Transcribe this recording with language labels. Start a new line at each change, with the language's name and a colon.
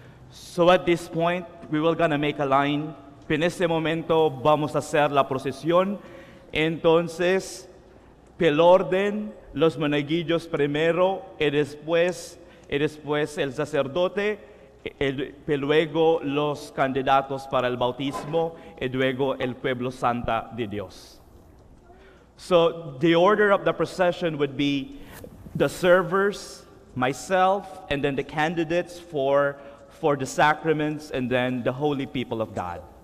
English: So at this point, we will gonna make a line.
Spanish: En este momento, vamos a hacer la procesión. Entonces, pel orden, los monaguillos primero, y después el sacerdote, y luego los candidatos para el bautismo, y luego el pueblo santa de Dios.
English: So the order of the procession would be the servers, myself, and then the candidates for the sacraments, and then the holy people of God.